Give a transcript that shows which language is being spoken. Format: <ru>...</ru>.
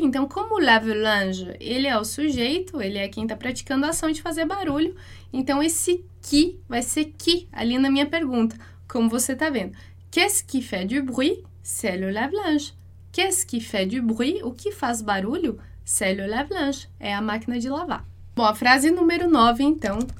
<pt>Então, como o lave-linge, ele é o sujeito, ele é quem está praticando a ação de fazer barulho. Então, esse qui vai ser qui ali na minha pergunta, como você está vendo.</pt> <fr>Qu'est-ce qui fait du bruit? C'est le lave-linge. Qu'est-ce qui fait du bruit?</fr> <pt>O que faz barulho?</pt> <fr>C'est le lave-linge.</fr> <pt>É a máquina de lavar. Bom, a frase número 9, então.</pt>